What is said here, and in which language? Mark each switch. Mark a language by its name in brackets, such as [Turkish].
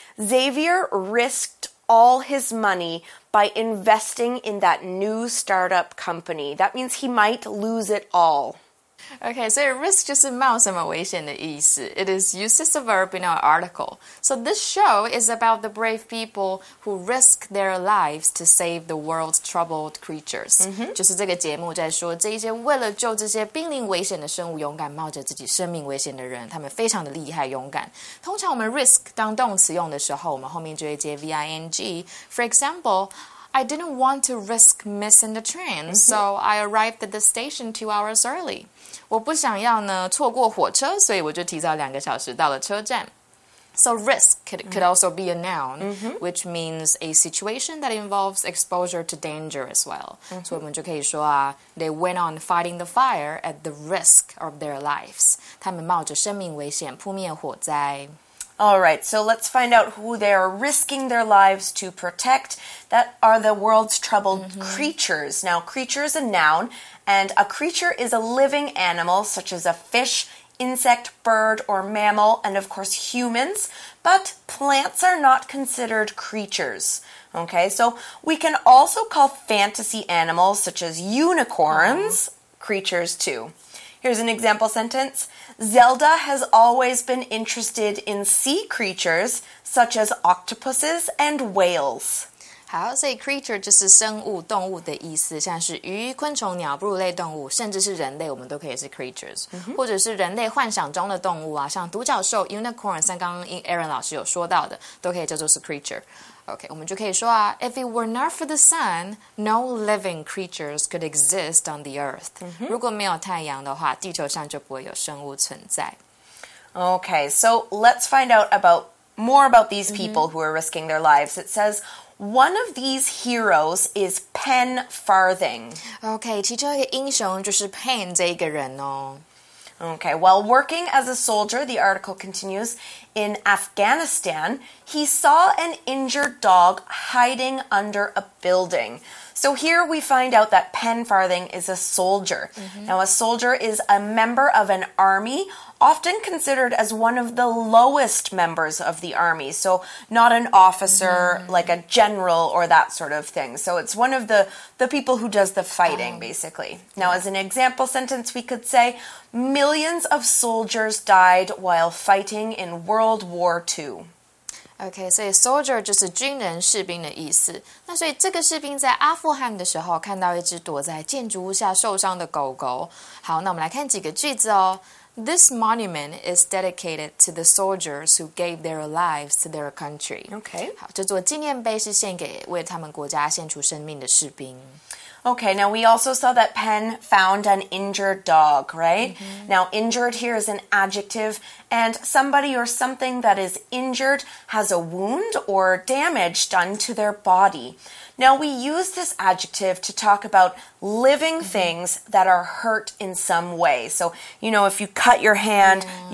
[English] Xavier risked all his money by investing in that new startup company. That means he might lose it all. [Chinese] Okay, so risk 就是冒什么危险的意思。 [English] It is used as a verb in our article. So this show is about the brave people who risk their lives to save the world's troubled creatures.、 Mm-hmm. [Chinese] 就是这个节目在说这些为了救这些濒临危险的生物勇敢冒着自己生命危险的人，他们非常的厉害勇敢。通常我们 risk 当动词用的时候，我们后面就会接 V-I-N-G. [English] For example,I didn't want to risk missing the train, so I arrived at the station 2 hours early. [Chinese] 我不想要呢错过火车，所以我就提早两个小时到了车站。 [English] So risk could also be a noun,、 mm-hmm. which means a situation that involves exposure to danger as well.、 Mm-hmm. [Chinese] 所以我们就可以说啊 [English] they went on fighting the fire at the risk of their lives. [Chinese] 他们冒着生命危险扑灭火灾。 [English] All right, so let's find out who they are risking their lives to protect. That are the world's troubled、mm-hmm. creatures. Now, creature is a noun, and a creature is a living animal, such as a fish, insect, bird, or mammal, and of course humans, but plants are not considered creatures. Okay, so we can also call fantasy animals, such as unicorns,、mm-hmm. creatures too. Here's an example sentence. Zelda has always been interested in sea creatures, such as octopuses and whales. [Chinese] 好，所以 creature 就是生物、动物的意思，像是鱼、昆虫、鸟、哺乳类动物，甚至是人类，我们都可以是 creatures.、 Mm-hmm. 或者是人类幻想中的动物啊，像独角兽 unicorn， 像刚刚 Aaron 老师有说到的，都可以叫做是 creature。 [English] Okay, [Chinese] 我们就可以说啊 [English] If it were not for the sun, no living creatures could exist on the earth.、 Mm-hmm. [Chinese] 如果没有太阳的话，地球上就不会有生物存在。 [English] Okay, so let's find out more about these people、mm-hmm. who are risking their lives. It says... One of these heroes is Pen Farthing. [Chinese] Okay, 其中一个英雄就是 Pen 这一个人哦。 [English] Okay, while working as a soldier, the article continues, in Afghanistan, he saw an injured dog hiding under a building. So here we find out that Penfarthing is a soldier. Mm-hmm. Now, a soldier is a member of an army, often considered as one of the lowest members of the army. So not an officer, like a general or that sort of thing. So it's one of the people who does the fighting, basically. Now, as an example sentence, we could say, millions of soldiers died while fighting in World War II. [Chinese] Okay, 所以 soldier 就是军人士兵的意思。那所以这个士兵在阿富汗的时候看到一只躲在建筑物下受伤的狗狗。好，那我们来看几个句子哦。 [English] This monument is dedicated to the soldiers who gave their lives to their country. Okay. [Chinese] 好，这座纪念碑是献给为他们国家献出生命的士兵。 [English] Okay, now we also saw that Penn found an injured dog, right? Mm-hmm. Now, injured here is an adjective, and somebody or something that is injured has a wound or damage done to their body. Now, we use this adjective to talk about living mm-hmm. things that are hurt in some way. So, you know, if you cut your hand, mm-hmm.